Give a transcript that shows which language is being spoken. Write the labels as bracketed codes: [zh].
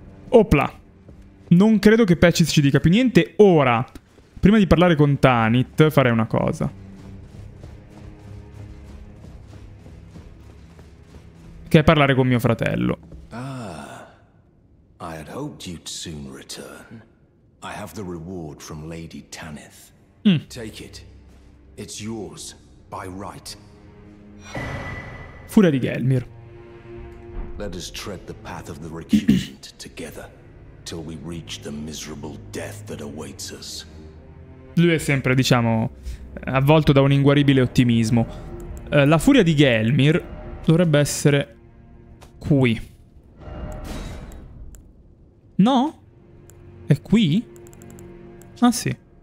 [it] Opla. Non credo che Patches ci dica più niente. Ora, prima di parlare con Tanith, farei una cosa. che è parlare con mio fratello. [en] Ah, I had hoped you'd soon return. I have the reward from Lady Tanith. Mm. Take it. It's yours by right. [it] Furia di Gelmir. [en] Let us tread the path of the recusant together till we reach the miserable death that awaits us. [it] Lui è sempre, diciamo, avvolto da un inguaribile ottimismo. La furia di Gelmir dovrebbe essere qui. No? È qui? Ah sì.